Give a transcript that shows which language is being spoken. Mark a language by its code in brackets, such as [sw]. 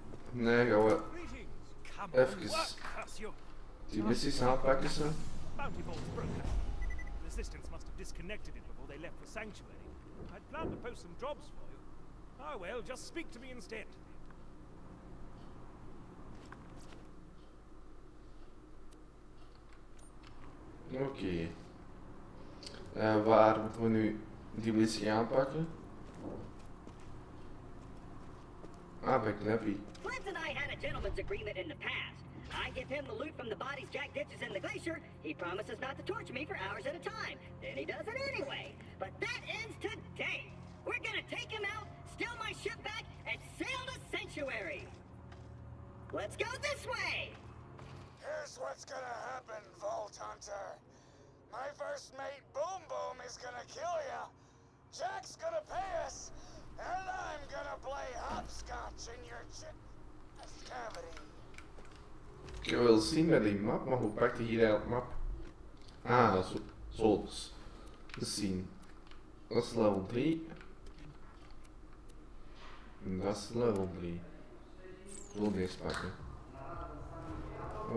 [nl] Nee, gaan we even die missies aanpakken zo. [en] Bounty Vault's broken. Resistance must have disconnected it before they left for Sanctuary. I'd planned to post some jobs for you. Oh well, just speak to me instead. [nl] Oké. Waar moeten we nu die missie aanpakken? Ah, bij Clappy. [en] Flint and I had a gentleman's agreement in the past. I give him the loot from the bodies Jack ditches in the glacier. He promises not to torture me for hours at a time. Then he does it anyway. But that ends today. We're gonna take him out, steal my ship back, and sail to Sanctuary. Let's go this way. Here's what's gonna happen, Vault Hunter. My first mate, Boom Boom, is gonna kill ya. Jack's gonna pay us. And I'm gonna play hopscotch in your cavity. [nl] Ik wil zien met die map, maar hoe pakt hij hier eigenlijk map? Ah, zo dus. Te zien. Dat is level 3. En dat is level 3. Ik wil deze pakken. Oké.